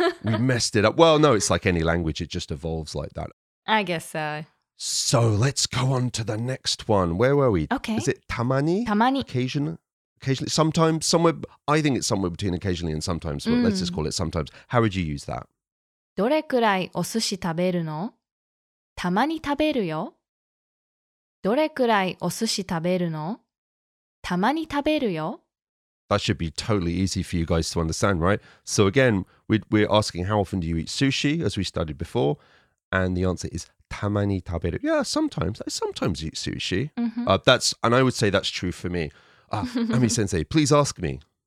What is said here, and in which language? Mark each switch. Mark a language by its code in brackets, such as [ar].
[en] We messed it up. Well, no, it's like any language. It just evolves like that. I guess so. So let's go on to the next one. Where were we? Okay. Is it tamani? [ja] Tamani. [en] Occasionally, sometimes, somewhere, I think it's somewhere between occasionally and sometimes, but let's just call it sometimes. How would you use that? [ja] どれくらいお寿司食べるの?たまに食べるよ。どれくらいお寿司食べるの?たまに食べるよ。 [en] that should be totally easy for you guys to understand, right? So again, we're asking how often do you eat sushi, as we studied before, and the answer is [ja] tamani taberu. [en] Yeah, sometimes. I sometimes eat sushi. Mm-hmm. That's, and I would say that's true for me. Ami-sensei, please ask me.